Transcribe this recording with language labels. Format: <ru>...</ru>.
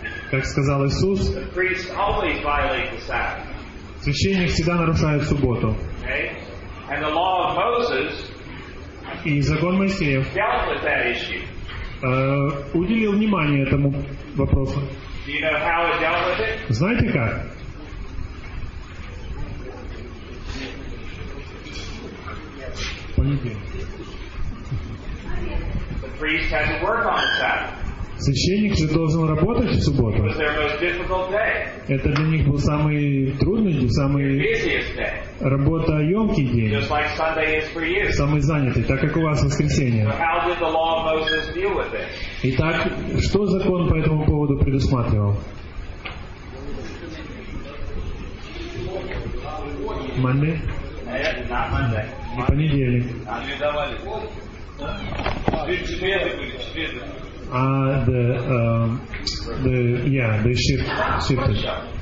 <ru>как сказал Иисус,</ru> <en>the priests always violate the Sabbath.</en> <ru>Священник всегда нарушает субботу.</ru> <en>Okay? And the law of Moses,</en> <ru>и закон Моисеев,</ru> <en>dealt with that issue.</en> <ru>Уделил внимание этому вопросу.</ru> <en>Do you know how it dealt with it?</en> <ru>Знаете как?</ru> <en>The priest had to work on the Sabbath.</en> <ru>Священник же должен работать в субботу.</ru> <en>It was their most difficult day.</en> <ru>Это для них был самый трудный, самый работоемкий день.</ru> <en>Just like Sunday is for you.</en> <ru>Самый занятый, так как у вас воскресенье.</ru> <en>So how did the law of Moses deal with it?</en> <ru>Итак, что закон по этому поводу предусматривал?</ru> <en>Monday? Not Monday.</en> <ru>И понедельник. Они давали. Четверг.</ru>